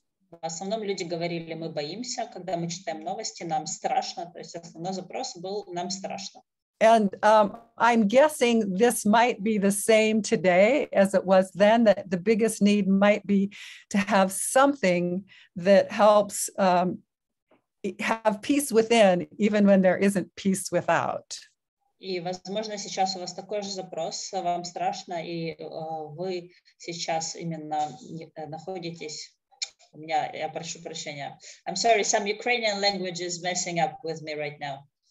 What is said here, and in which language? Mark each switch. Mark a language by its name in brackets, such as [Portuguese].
[Russian] В основном люди говорили, мы боимся, когда мы читаем новости, нам страшно. То есть основной запрос был, нам страшно. [English] And I'm guessing this might be the same today as it was then, that the biggest need might be to have something that helps have peace within, even when there isn't peace without. [Russian] И, возможно, сейчас у вас такой же запрос, вам страшно, и вы сейчас именно находитесь... У меня, я прошу прощения. [English] I'm sorry, some Ukrainian language is messing up with me right now.